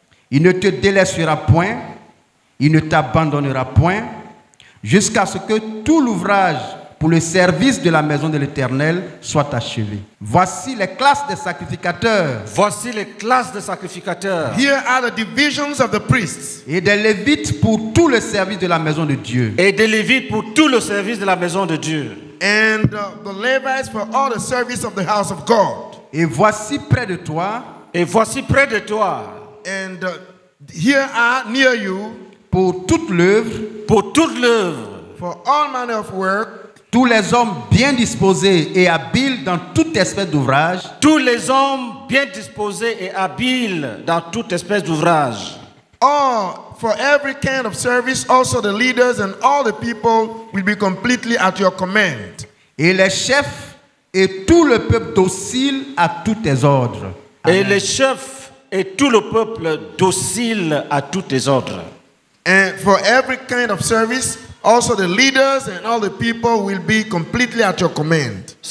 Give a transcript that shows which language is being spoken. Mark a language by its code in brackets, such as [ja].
[fr] Il ne te délaissera point, il ne t'abandonnera point, jusqu'à ce que tout l'ouvrage pour le service de la maison de l'Éternel soit achevé. Voici les classes des sacrificateurs. Voici les classes des sacrificateurs. [en] Here are the divisions of the priests. [fr] Et des lévites pour tout le service de la maison de Dieu. Et des lévites pour tout le service de la maison de Dieu. [en] And the Levites for all the service of the house of God. [fr] Et voici près de toi. Et voici près de toi. [en] And here are near you. [fr] Pour toute l'œuvre. Pour toute l'œuvre. [en] For all manner of work. [fr] Tous les hommes bien disposés et habiles dans toute espèce d'ouvrage. Tous les hommes bien disposés et habiles dans toute espèce d'ouvrage. [en] Oh, for every kind of service, also the leaders and all the people will be completely at your command. [fr] Et les chefs et tout le peuple docile à tous tes ordres. Amen. Et les chefs et tout le peuple docile à tous tes ordres. [en] And for every kind of service, also the leaders and all the people will be completely at your command.